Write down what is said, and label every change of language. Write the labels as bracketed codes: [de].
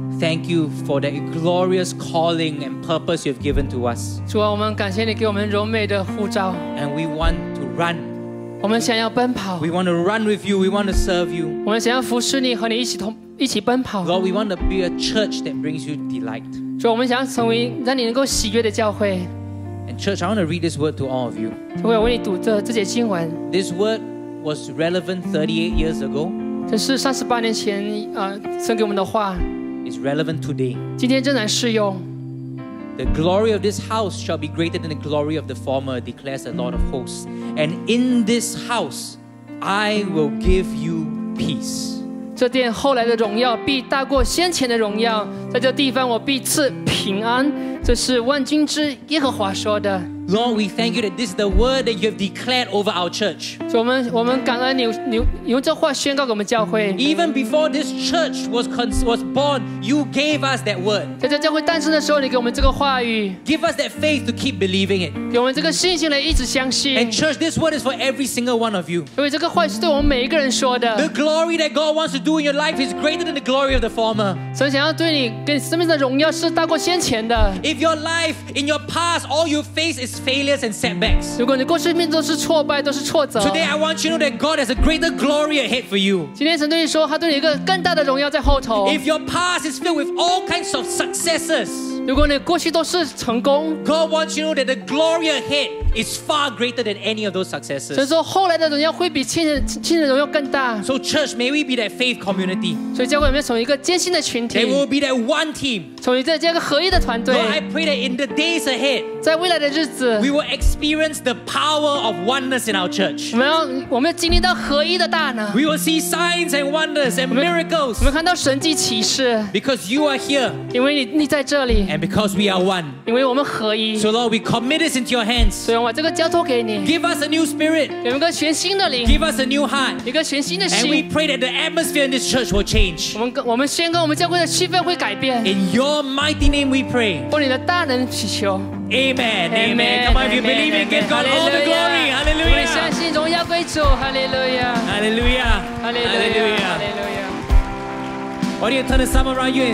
[en] Thank you for that glorious calling and purpose you've given to us [zh] 主啊我们感谢你给我们柔美的呼召 [en] And we want to run [zh] 我们想要奔跑 [en] We want to run with you, we want to serve you [zh] 我们想要服侍你和你一起奔跑 [en] Lord, we want to be a church that brings you delight [zh] 主啊我们想要成为让你能够喜悦的教会 [en] And church, I want to read this word to all of you [zh] 主啊我为你读这节经文 [en] This word was relevant 38 years ago [zh] 这是三十八年前神给我们的话 [en] It's relevant today [zh] 今天仍然适用 [en] The glory of this house shall be greater than the glory of the former declares the Lord of hosts And in this house I will give you peace [zh] 这殿后来的荣耀必大过先前的荣耀在这地方我必赐平安这是万军之耶和华说的 [en] Lord, we thank you that this is the word that you have declared over our church. [zh] 我们感恩你，你用这话宣告给我们教会。 [en] Even before this church was born, you gave us that word. [zh] 在这教会诞生的时候，你给我们这个话语。 [en] Give us that faith to keep believing it. [zh] 给我们这个信心来一直相信。 [en] And church, this word is for every single one of you. [zh] 因为这个话是对我们每一个人说的。 [en] The glory that God wants to do in your life is greater than the glory of the former. [zh] 神想要对你跟你生命的荣耀是大过先前的。 [en] If your life in your past, all you face is failures and setbacks. [zh] 如果你过生命都是挫败，都是挫折。 [en] Today I want you to know that God has a greater glory ahead for you. [zh] 今天神对你说，他对你一个更大的荣耀在后头。 [en] If your past is filled with all kinds of successes, [zh] 如果你过去都是成功， [en] God wants you to know that the glory ahead is far greater than any of those successes. [zh] 神说后来的荣耀会比前的荣耀更大。 [en] So church, may we be that faith community. [zh] 所以教会有没有从一个坚信的群体？ [en] They will be that one team. [zh] 从一个这个合一的团队。 [en] Lord, I pray that in the days ahead, [zh] 在未来的日子。 [en] We will experience the power of oneness in our church. [zh] 我们要经历到合一的大能。 [en] We will see signs and wonders and miracles. [zh] 我们看到神迹奇事。 [en] Because you are here. [zh] 因为你在这里。 [en] And because we are one. [zh] 因为我们合一。 [en] So Lord, we commit this into your hands. [zh] 所以我把这个交托给你。 [en] Give us a new spirit. [zh] 给我们个全新的灵。 [en] Give us a new heart. [zh] 一个全新的心。 [en] And we pray that the atmosphere in this church will change. [zh] 我们宣告我们教会的气氛会改变。 [en] In your mighty name we pray. [zh] 奉你的大能祈求。 [en] Amen, amen. Come on, if you believe it, give God all the glory. Hallelujah. Hallelujah. Hallelujah. Hallelujah. Hallelujah. Why don't you turn to someone around you and